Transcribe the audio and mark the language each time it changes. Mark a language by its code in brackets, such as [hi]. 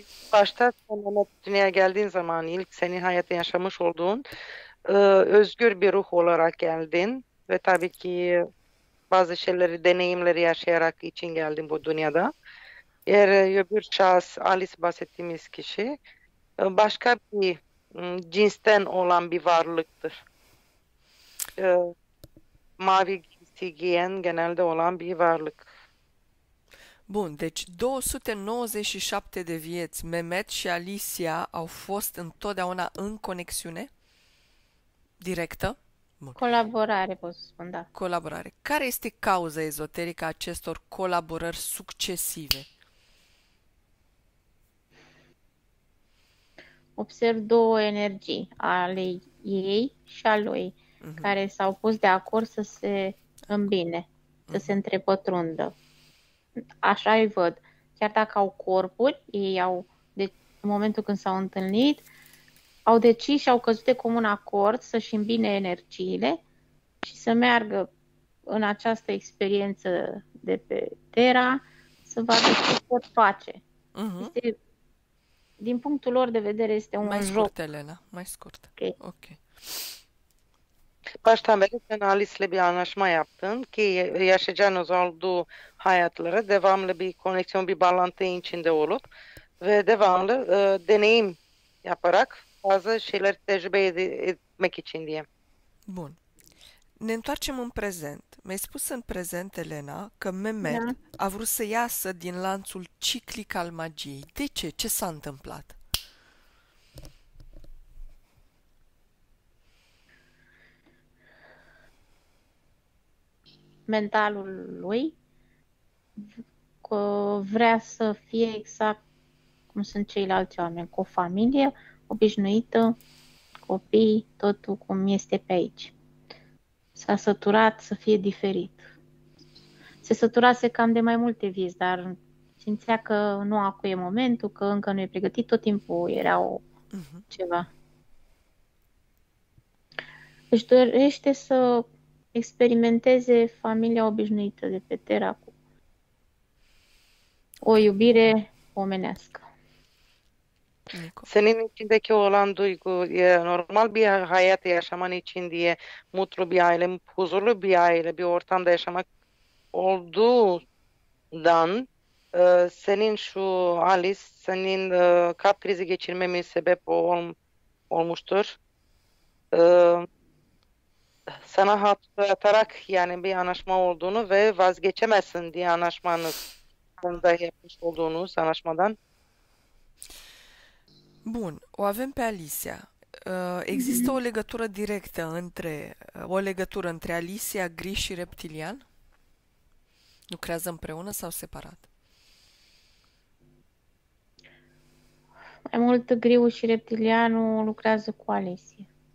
[tr] Başta sonuna dünyaya geldiğin zaman ilk senin hayatın yaşamış olduğun özgür bir ruh olarak geldin ve tabii ki bazı şeyleri, deneyimleri yaşayarak için geldin bu dünyada. Eğer öbür şahıs, Alice bahsettiğimiz kişi başka bir cinsten olan bir varlıktır. Mavi giysi giyen genelde olan bir varlık. [ro] Bun, deci 297 de vieți, Mehmet și Alicia au fost întotdeauna în conexiune directă. Bun. Colaborare, pot să spun, da. Colaborare. Care este cauza ezoterică a acestor colaborări succesive? Observ două energii ale ei și a lui, care s-au pus de acord să se îmbine, să se întrepătrundă. Așa îi văd. Chiar dacă au corpuri, ei au, de, în momentul când s-au întâlnit, au decis și au căzut de comun acord să-și îmbine energiile și să meargă în această experiență de pe Terra, să vadă ce pot face. Este, din punctul lor de vedere, este Mai un scurt, joc. Elena, mai scurt. Ok. Ok. [tr] Baştan beri sen Alice'le bir anlaşma yaptın ki yaşayacağınız olduğu hayatları devamlı bir koneksiyon, bir bağlantı içinde olup ve devamlı deneyim yaparak bazı şeyleri tecrübe etmek için diye. [ro] Bun. Ne întoarcem în prezent. Mi-ai spus în prezent, Elena, că Mehmet Da. a vrut să iasă din lanțul ciclic al magiei. De ce? Ce s-a întâmplat? Mentalul lui că vrea să fie exact cum sunt ceilalți oameni, cu o familie obișnuită, copii, totul cum este pe aici. S-a săturat să fie diferit. Se săturase cam de mai multe vieți, dar simțea că nu acu' e momentul, că încă nu e pregătit, tot timpul era o ceva. Își dorește să experimenteze familia obișnuită de pe Terra cu o iubire omenească. Nico. [tr] Senin içindeki olan duygu normal bir hayat yaşaman için diye mutlu bir aile, huzurlu bir aile, bir ortamda yaşamak olduğundan senin şu Alice, senin kalp krizi geçirmemin sebep olmuştur. Sana hatırlatarak yani bir anlaşma olduğunu ve vazgeçemezsin diye anlaşmanız konuda yapmış olduğunuz anlaşmadan. [ro] Bun, o avem pe Alicia. Există o legătură directă o legătură între Alicia, gri și reptilian? Lucrează împreună sau separat? Mai mult griu și reptilianul lucrează cu Alessia.